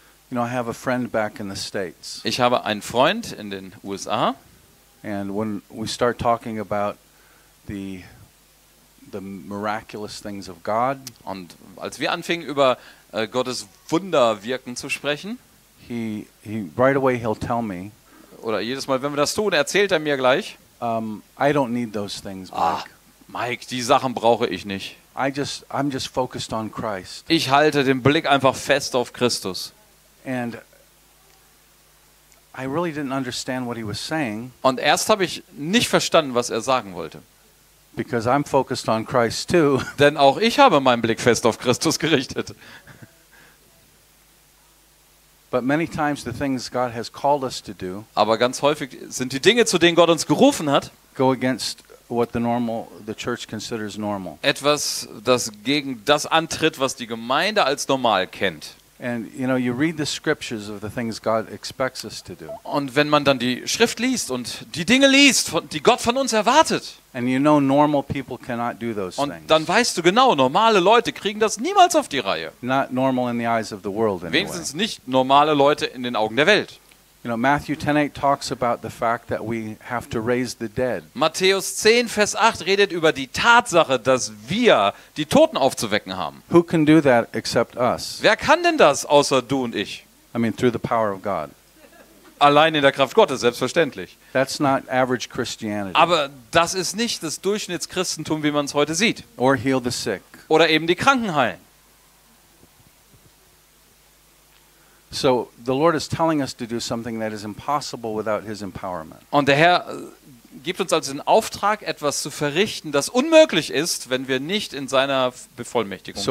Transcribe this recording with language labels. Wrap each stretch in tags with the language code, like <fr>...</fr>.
<en>You know, I have a friend back in the States.</en> <de>Ich habe einen Freund in den USA.</de> <en>And when we start talking about the miraculous things of God,</en> <de>und als wir anfingen über Gottes Wunderwirken zu sprechen,</de> <en>he right away he'll tell me,</en> <de>oder jedes Mal, wenn wir das tun, erzählt er mir gleich,</de> <en>I don't need those things, Mike,</en> <de>die Sachen brauche ich nicht.</de> <en>I'm just focused on Christ.</en> <de>Ich halte den Blick einfach fest auf Christus.</de> <en>And I really didn't understand what he was saying.</en> <de>Und erst habe ich nicht verstanden, was er sagen wollte.</de> <en>Because I'm focused on Christ too.</en> <de>Denn auch ich habe meinen Blick fest auf Christus gerichtet.</de> <en>But many times the things God has called us to do.</en> <de>Aber ganz häufig sind die Dinge, zu denen Gott uns gerufen hat,</de> <en>go against what the church considers normal.</en> <de>Etwas, das gegen das antritt, was die Gemeinde als normal kennt.</de> <en>And you know, you read the scriptures of the things God expects us to do.</en> <de>Und wenn man dann die Schrift liest und die Dinge liest, die Gott von uns erwartet.</de> <en>And you know, normal people cannot do those things.</en> <de>Und dann weißt du genau, normale Leute kriegen das niemals auf die Reihe.</de> <en>Not normal in the eyes of the world anyway.</en> <de>Wenigstens nicht normale Leute in den Augen der Welt.</de> <en>You know, Matthew 10:8 talks about the fact that we have to raise the dead.</en> <de>Matthäus 10 Vers 8 redet über die Tatsache, dass wir die Toten aufzuwecken haben.</de> <en>Who can do that except us?</en> <de>Wer kann denn das außer du und ich?</de> <en>I mean, through the power of God.</en> <de>Allein in der Kraft Gottes, selbstverständlich.</de> <en>That's not average Christianity.</en> <de>Aber das ist nicht das Durchschnittschristentum, wie man es heute sieht.</de> <en>Or heal the sick.</en> <de>Oder eben die Kranken heilen.</de> <en>So the Lord is telling us to do something that is impossible without his empowerment.</en> <de>Und der Herr gibt uns also den Auftrag, etwas zu verrichten, das unmöglich ist, wenn wir nicht in seiner Bevollmächtigung</de>